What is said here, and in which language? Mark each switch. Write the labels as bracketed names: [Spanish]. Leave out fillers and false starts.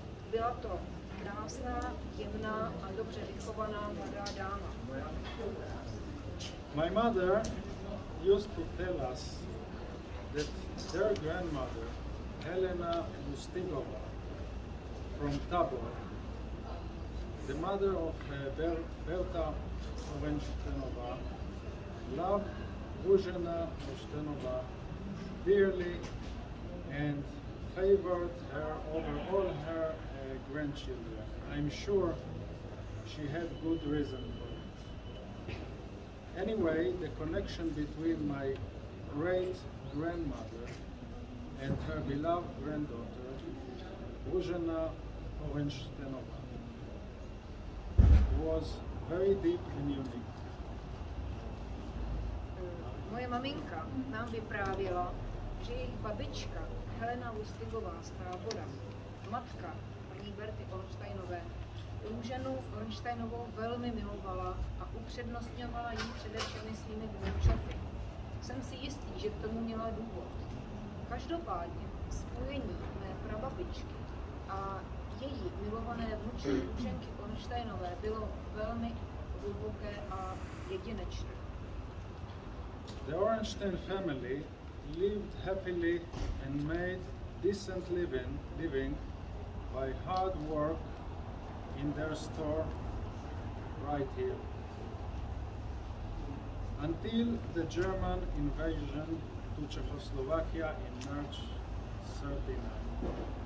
[Czech] Byla to krásná, jemná a dobře vychovaná mladá dáma. [English] My mother used to tell us that their grandmother, Helena Mustigova, from Tabor, the mother of Berta Orenshteinova, loved Ruzhena Orenshteinova dearly and favored her over all her grandchildren. I'm sure she had good reason for it. Anyway, the connection between my great-grandmother and her beloved granddaughter, Ruzhena Orenshteinova, was very deep and unique. [Czech] Moje maminka nám vyprávěla, že jejich babička Helena Lustigová z Tábora, matka paní Berty Ornsteinové, Ruzhenu Ornsteinovou velmi milovala a upřednostňovala jí především svými vnoučaty. Jsem si jistý, že k tomu měla důvod. Každopádně spojení mé prababičky a její milované vnuče Ruzhenky Ornsteinové bylo velmi hluboké a jedinečné. [English] The Ornstein family lived happily and made decent living by hard work in their store right here, until the German invasion to Czechoslovakia in March 1939.